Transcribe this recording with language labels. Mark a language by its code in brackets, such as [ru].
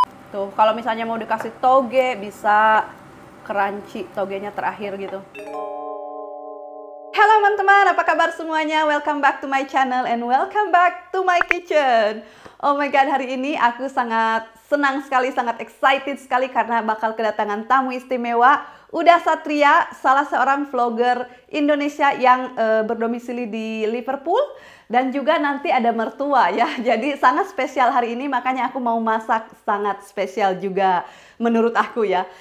[id] Tuh, kalau misalnya mau dikasih toge, bisa crunchy togenya terakhir gitu. Halo teman-teman, apa kabar semuanya? [en] Welcome back to my channel and welcome back to my kitchen. [id] Oh my God, hari ini aku sangat senang sekali, sangat excited sekali karena bakal kedatangan tamu istimewa, Uda Satria, salah seorang vlogger Indonesia yang berdomisili di Liverpool. Dan juga nanti ada mertua ya, jadi sangat spesial hari ini, makanya aku mau masak sangat spesial juga menurut aku ya.